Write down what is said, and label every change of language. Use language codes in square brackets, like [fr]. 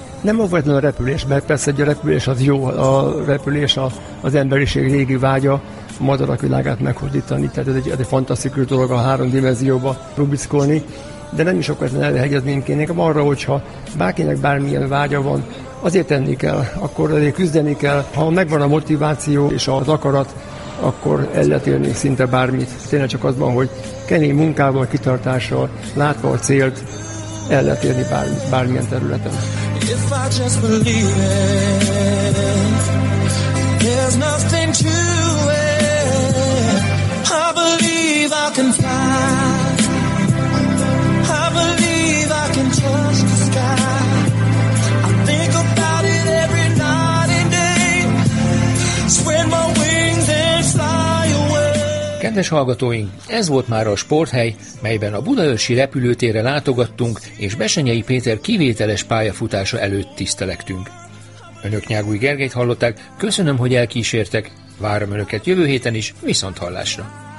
[hu] Nem óvatlan a repülés, mert persze egy repülés az jó, a repülés az emberiség régi vágya, a madarak világát meghódítani, tehát ez egy fantasztikus dolog a három dimenzióba rubickolni, de nem is sok ezen elhegyezném kéne, inkább arra, hogyha bárkinek bármilyen vágya van, azért tenni kell, akkor azért küzdeni kell, ha megvan a motiváció és az akarat, akkor el lehet élni szinte bármit. Tényleg csak az van, hogy kemény munkával, kitartással, látva a célt, el lehet élni bármilyen területen. [en] If I just believe it, there's nothing to it. I believe I can fly. I believe I can touch the sky. I think about it every night and day. Spread my wings and fly. [hu] Kedves hallgatóink, ez volt már a Sporthely, melyben a budaörsi repülőtérre látogattunk, és Besenyei Péter kivételes pályafutása előtt tisztelegtünk. Önök Nyágúj Gergelyt hallották, köszönöm, hogy elkísértek, várom önöket jövő héten is, viszont hallásra!